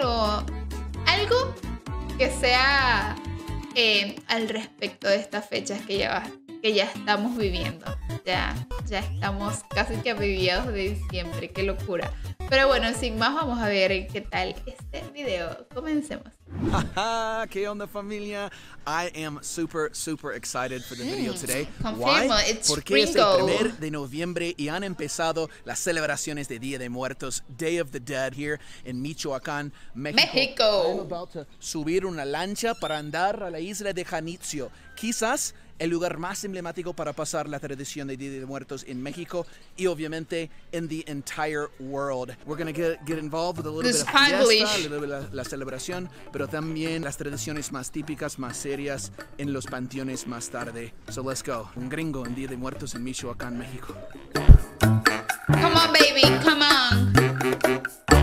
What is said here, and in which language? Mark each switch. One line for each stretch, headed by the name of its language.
Spanish: O algo que sea al respecto de estas fechas que ya estamos viviendo. Ya estamos casi que a mediados de diciembre, qué locura. Pero bueno, sin más, vamos a ver qué tal este video. Comencemos. ¿Qué onda, familia?
English: I am super, super excited for the video today.
Spanish: Confirmo, Porque es el primer de noviembre y han empezado las celebraciones de Día de Muertos,
English: Day of the Dead, here in
Spanish: Michoacán, México. México.
English: I'm about to
Spanish: subir una lancha para andar a la isla de Janitzio. Quizás el lugar más emblemático para pasar la tradición de Día de Muertos en México y obviamente en
English: the entire world. We're going to get involved with a little bit of fiesta, English,
Spanish: a little bit of la celebración, pero también las tradiciones más típicas, más serias en los panteones más tarde.
English: So let's go.
Spanish: Un gringo en Día de Muertos en Michoacán, México.
English: Come on, baby, come on.